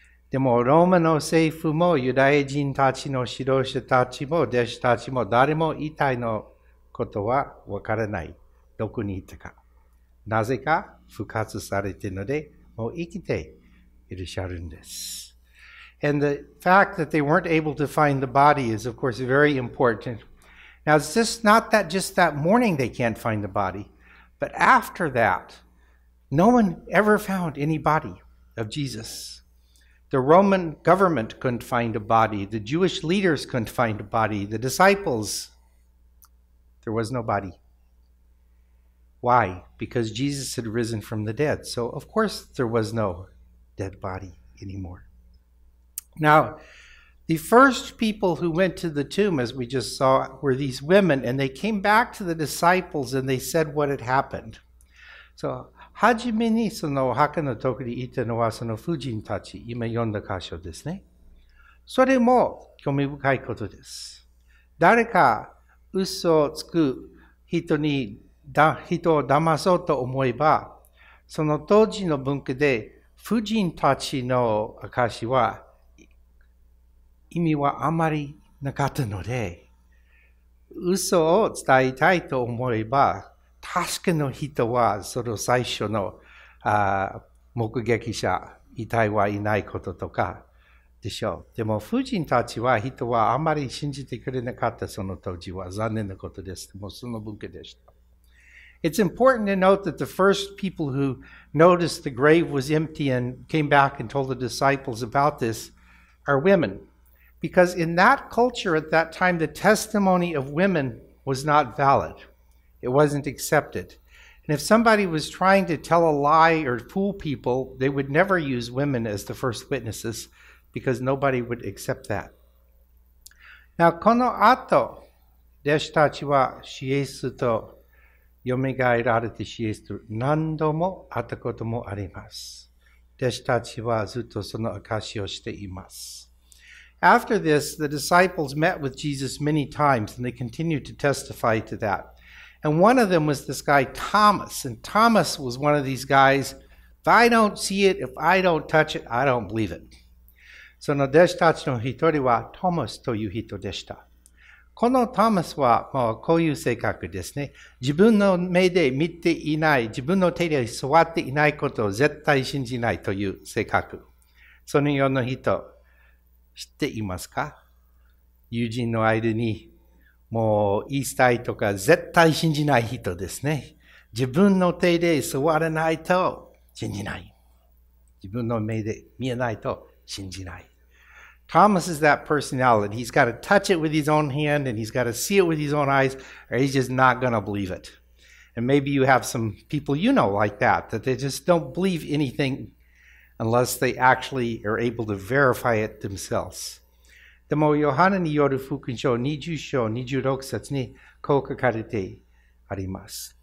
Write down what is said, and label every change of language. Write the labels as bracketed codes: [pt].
[ja] でもローマの政府もユダヤ人たちの指導者たちも弟子たちも誰も遺体のことはわからない。どこにいたか。なぜか復活されているので、もう生きていらっしゃるんです。 [en] And the fact that they weren't able to find the body is of course very important. Now it's just not that just that morning they can't find the body, but after that, no one ever found any body of Jesus. The Roman government couldn't find a body. The Jewish leaders couldn't find a body. The disciples, there was no body. Why? Because Jesus had risen from the dead. So, of course, there was no dead body anymore. Now, the first people who went to the tomb, as we just saw, were these women, and they came back to the disciples and they said what had happened. [ja] So,はじめにそのお墓のところにいたのはその婦人たち、今読んだ箇所ですね。それも興味深いことです。誰か嘘をつく人を騙そうと思えば、その当時の文化で婦人たちの証は意味はあまりなかったので、嘘を伝えたいと思えば、確かの人は、その最初の目撃者、遺体はいないこととかでしょう。でも、婦人たちは、人はあまり信じてくれなかった、その当時は。残念なことです。でも、その文化でした。 [en] It's important to note that the first people who noticed the grave was empty and came back and told the disciples about this are women. Because in that culture at that time, the testimony of women was not valid. It wasn't accepted. And if somebody was trying to tell a lie or fool people, they would never use women as the first witnesses because nobody would accept that. [ja] Now, この後、弟子たちは主イエスと蘇られて主イエスと何度も会ったこともあります。弟子たちはずっとその証をしています。 [en] After this, the disciples met with Jesus many times and they continued to testify to that. And one of them was this guy, Thomas. And Thomas was one of these guys, if I don't see it, if I don't touch it, I don't believe it. [ja] その弟子たちの一人はトモスという人でした。このトモスはもうこういう性格ですね。自分の目で見ていない、自分の手で触っていないことを絶対信じないという性格。そのような人、知っていますか？友人の間に、もう言いたいとか絶対信じない人ですね。自分の手で触らないと信じない。自分の目で見えないと信じない。 [en] Thomas is that personality. He's got to touch it with his own hand and he's got to see it with his own eyes or he's just not going to believe it. And maybe you have some people you know like that, that they just don't believe anything unless they actually are able to verify it themselves. [ja] でもヨハネによる福音書20章26節にこう書かれてあります。